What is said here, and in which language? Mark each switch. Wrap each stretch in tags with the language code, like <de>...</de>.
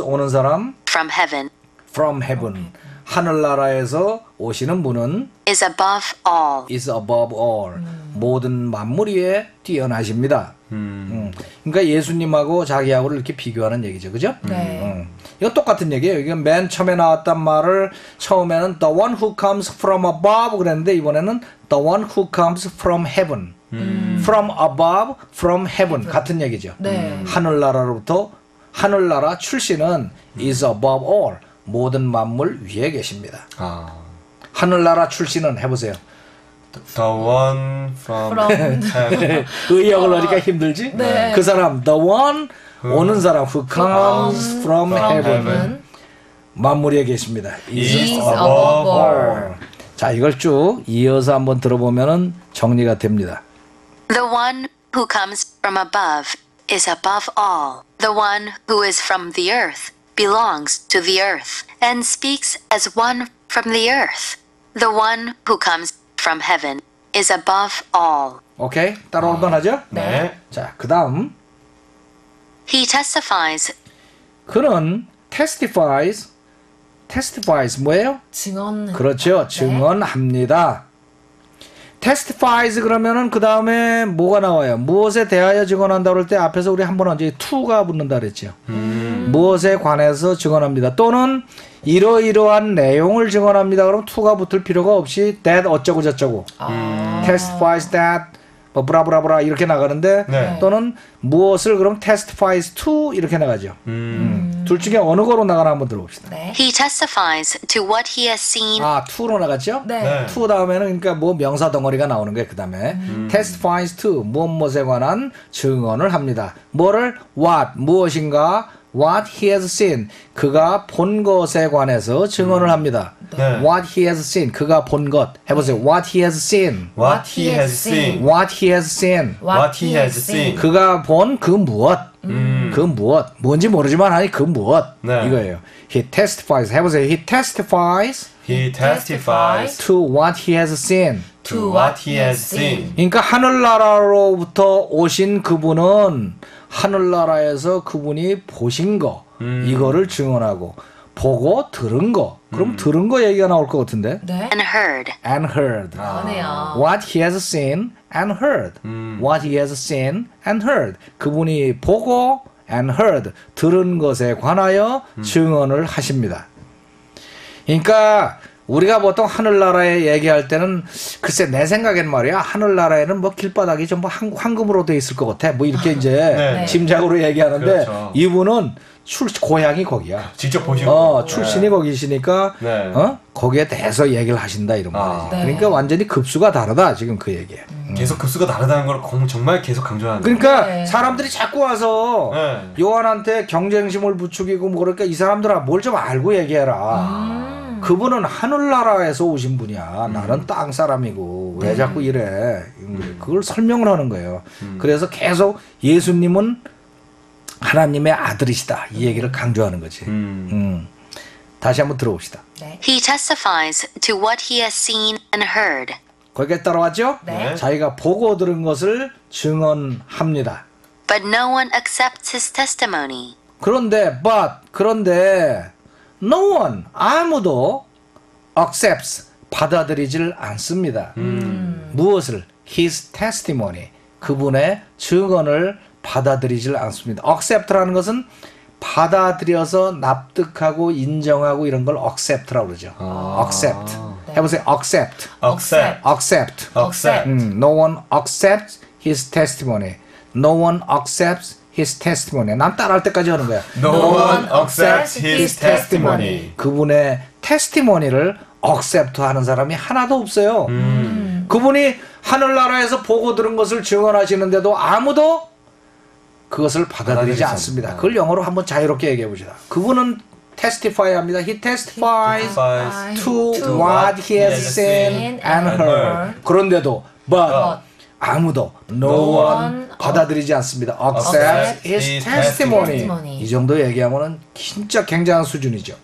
<ko>오는 사람</ko> <en>From heaven.</en> <ko>하늘나라에서 오시는 분은</ko> <en>Is above all.</en> <ko>모든 만물 위에 뛰어나십니다. 그러니까 예수님하고 자기하고 이렇게 비교하는 얘기죠. 그죠? 이거 똑같은 얘기예요. 이게 맨 처음에 나왔단 말을 처음에는</ko> <en>The one who comes from above</en> <ko>그랬는데 이번에는</ko> <en>The one who comes from heaven. From above, from heaven.</en> <ko>같은 얘기죠. 네. 하늘나라로부터 하늘나라 출신은</ko> <en>is above all.</en> <ko>모든 만물 위에 계십니다. 아. 하늘나라 출신은 해보세요.</ko> <en>The one from heaven.</en> <ko>의역을 하니까 힘들지? 네. 그 사람,</ko> <en>the one who comes from heaven.</en> <ko>만물에 계십니다.</ko> <en>Is above all.</en> <ko>자, 이걸 쭉 이어서 한번 들어보면은 정리가 됩니다.</ko> <en>The one who comes from above is above all. The one who is from the earth belongs to the earth and speaks as one from the earth. The one who comes from heaven is above all.</en> <ko>오케이, 따로 아, 한번 하죠. 네. 자, 그 다음.</ko> <en>He testifies.</en> <ko>그는 testifies. testifies 뭐예요? 증언. 그렇죠, 증언합니다. 테스티파이즈 그러면은 그 다음에 뭐가 나와요? 무엇에 대하여 증언한다 그럴 때 앞에서 우리 한번 언제 투가 붙는다 그랬죠. 무엇에 관해서 증언합니다. 또는 이러이러한 내용을 증언합니다. 그럼 투가 붙을 필요가 없이 that 어쩌고 저쩌고 testifies that 뭐 브라브라브라 이렇게 나가는데 네. 또는 무엇을 그럼 testifies to 이렇게 나가죠. 둘 중에 어느 거로 나가나 한번 들어봅시다. 네.</ko> <en>He testifies to what he has seen.</en> <ko>아, to로 나갔죠? 네. to 다음에는 그러니까 뭐 명사 덩어리가 나오는 거예요. 그 다음에 testifies to 무엇무엇에 관한 증언을 합니다. 뭐를 what 무엇인가</ko> <en>what he has seen</en> <ko>그가 본 것에 관해서 증언을 합니다. 네.</ko> <en>what he has seen</en> <ko>그가 본 것 해보세요.</ko> <en>네. what he has seen what he has seen what he has seen what he has seen</en> <ko>그가 본 그 무엇 그 무엇 뭔지 모르지만 아니 그 무엇 네. 이거예요.</ko> <en>he testifies</en> <ko>해보세요.</ko> <en>he testifies he testifies to what he has seen to what he has seen</en> <ko>그러니까 하늘나라로부터 오신 그분은 하늘나라에서 그분이 보신 거 이거를 증언하고 보고 들은 거 그럼 들은 거 얘기가 나올 것 같은데 네?</ko> <en>and heard and heard</en> <ko>아.</ko> <en>what he has seen and heard what he has seen and heard</en> <ko>그분이 보고</ko> <en>and heard</en> <ko>들은 것에 관하여 증언을 하십니다. 그러니까 우리가 보통 하늘나라에 얘기할 때는 글쎄 내 생각엔 말이야 하늘나라에는 뭐 길바닥이 전부 황금으로 돼 있을 것 같아 뭐 이렇게 이제 네. 짐작으로 얘기하는데 그렇죠. 이분은 고향이 거기야. 직접 보시고. 어, 출신이 네. 거기시니까 네. 어? 거기에 대해서 얘기를 하신다 이런 거. 아, 네. 그러니까 완전히 급수가 다르다 지금 그 얘기. 계속 급수가 다르다는 걸 정말 계속 강조하는. 그러니까 네. 사람들이 자꾸 와서 네. 요한한테 경쟁심을 부추기고 뭐 그러니까 이 사람들아 뭘 좀 알고 얘기해라. 그분은 하늘나라에서 오신 분이야. 나는 땅 사람이고 왜 자꾸 이래. 그걸 설명을 하는 거예요. 그래서 계속 예수님은 하나님의 아들이시다. 이 얘기를 강조하는 거지. 다시 한번 들어봅시다. 네.</ko> <en>He testifies to what he has seen and heard.</en> <ko>거기에 따라왔죠? 네. 자기가 보고 들은 것을 증언합니다.</ko> <en>But no one accepts his testimony.</en> <ko>그런데, but, 그런데</ko> <en>no one,</en> <ko>아무도 accepts, 받아들이질 않습니다. 무엇을?</ko> <en>His testimony,</en> <ko>그분의 증언을 받아들이질 않습니다. accept라는 것은 받아들여서 납득하고 인정하고 이런 걸 accept라고 그러죠. 아, accept. 네. 해보세요. accept.</ko> <en>accept. accept. accept. No one accepts his testimony. No one accepts his testimony.</en> <ko>난 따라할 때까지 하는 거야.</ko> <en>No one accepts his testimony.</en> <ko>그분의 testimony를 accept하는 사람이 하나도 없어요. 그분이 하늘나라에서 보고 들은 것을 증언하시는데도 아무도 그것을 받아들이지 않습니다. 그걸 영어로 한번 자유롭게 얘기해 보시다. 그분은 testify 합니다.</ko> <en>He testifies to what he has seen and heard.</en> <ko>그런데도 but 아무도</ko> <en>no one</en> <ko>받아들이지 않습니다.</ko> <en>Accept his testimony.</en> <ko>이 정도 얘기하면은 진짜 굉장한 수준이죠.</ko>